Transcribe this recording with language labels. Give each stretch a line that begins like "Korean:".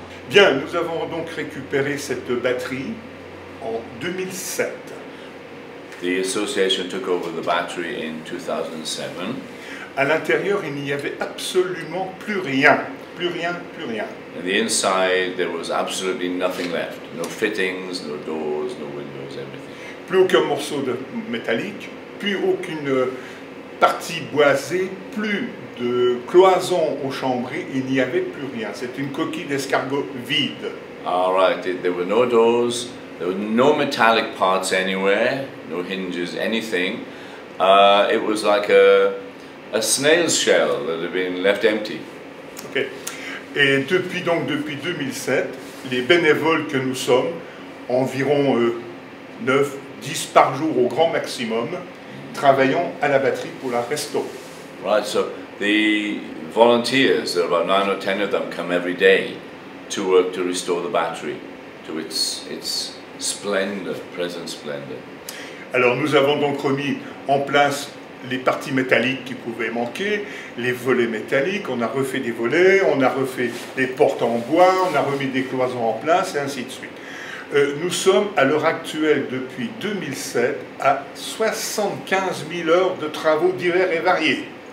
French: Bien, nous avons donc récupéré cette batterie en 2007.
English: The association took over the battery in 2007.
French: À l'intérieur, il n'y avait absolument plus rien. Plus rien.
English: In the inside, there was absolutely nothing left. No fittings, no doors, no windows, everything.
French: Plus aucun morceau de métallique, plus aucune partie boisée, plus de cloison au chambré, il n'y avait plus rien. C'est une coquille d'escargot vide.
English: All right, there were no doors. There were no metallic parts anywhere, no hinges, anything. It was like a snail's shell that had been left empty. Okay.
French: Et depuis donc, depuis 2007, les bénévoles que nous sommes, environ 9, 10 par jour au grand maximum, travaillons à la batterie pour la resto.
English: Right, so the volunteers, there are about 9 or 10 of them, come every day to work to restore the battery to its splendor, present splendor.
French: Alors nous avons donc remis en place les parties métalliques qui pouvaient manquer, les volets métalliques, on a refait des volets, on a refait des portes en bois, on a remis des cloisons en place et ainsi de suite. Nous sommes à l'heure actuelle depuis 2007 à 75 000 heures de travaux divers et variés.